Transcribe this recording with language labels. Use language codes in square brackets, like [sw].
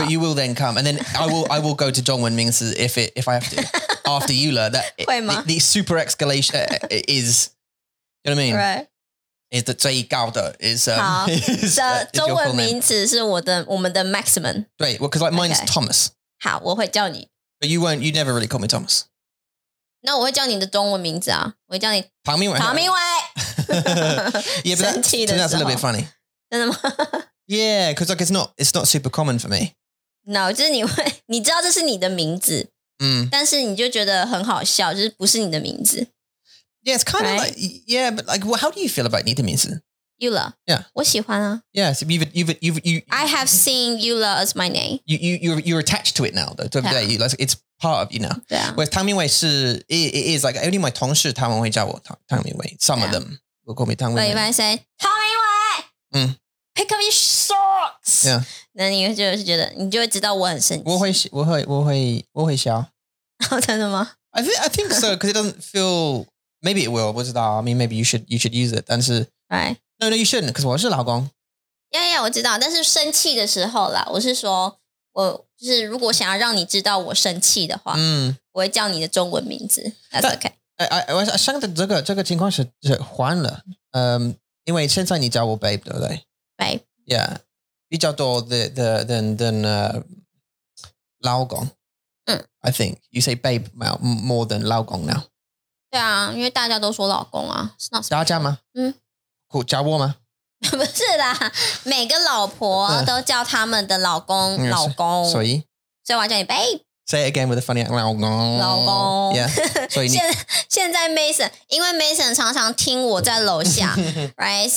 [en] But you will then come. And then I will go to [zh] 中文名字 [en] if I have to. After Eula. That, [zh] 会吗? [en] The super escalation is, you know what I mean? Right. Is the [zh] 最高的 [en] is [zh] 好的中文名字是我们的 [en] maximum 对 well, because like mine's、okay. Thomas [zh] 好我会叫你 but you won't you never really call me Thomas 那我会叫你的中文名字啊我会叫你唐明伟唐明伟 [en] yeah but that, [zh] 生气的时候 [en] that's a little bit funny [zh] 真的吗 [en] yeah because like it's not super common for me [zh] no 就是你知道这是你的名字嗯但是你就觉得很好笑就是不是你的名字 [en] Yeah, it's kind of like, yeah, but like, well, how do you feel about 你的名字? Eula. Yeah. [zh] 我喜欢啊。 [en] Yeah, so I have seen Eula as my name. You're attached to it now, though, [zh] 对不对? [en] Yeah. Like, it's part of you now. Yeah. Whereas [zh] 唐明伟是, [en] it is like, only my [zh] 同事他们会叫我 [en] 唐明伟, some of them will call me 唐明伟。 But if I say, 唐明伟!Pick up your socks! Yeah. [zh] 那你就会觉得,你就会知道我很生气。我会笑。真的吗? [en] I think so, because it doesn't feel... Maybe it will, [zh] 不知道。 [en] I mean, maybe you should use it, [zh] 但是 [en] Right. No, you shouldn't, because [zh] 我是老公。 Yeah, yeah, 我知道。但是生气的时候啦，我是说，我就是如果想要让你知道我生气的话，我会叫你的中文名字。 [en] That's okay. [zh] 我想的这个情况是换了，因为现在你叫我 babe, 对不对 [en] ？Babe. Yeah, [zh] 比较多 [en] than 老公。 I think you say babe more than 老公 now. [zh] 对啊，因为大家都说老公啊，是那大家吗？嗯，叫我吗？不是啦，每个老婆都叫他们的老公老公，所以我叫你 babe。 [en] Say it again with a funny accent, 老公 [zh] 老公。 Yeah， 所以现在 Mason， 因为 Mason 常常听我在楼下， [en] right？